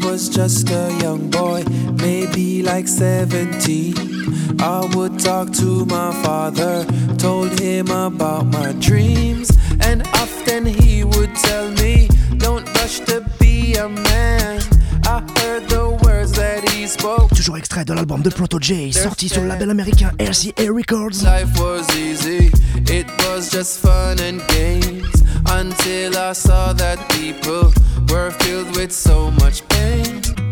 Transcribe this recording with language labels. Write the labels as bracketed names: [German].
[English] Just a young boy, maybe like 17. I would talk to my father, told him about my dreams. And often he would tell me, don't rush to be a man. I heard the words that he spoke. [French] Toujours extrait de l'album de Proto J, sorti sur le label américain RCA Records. [English] Life was easy, it was just fun and games. Until I saw that people were filled with so much pain.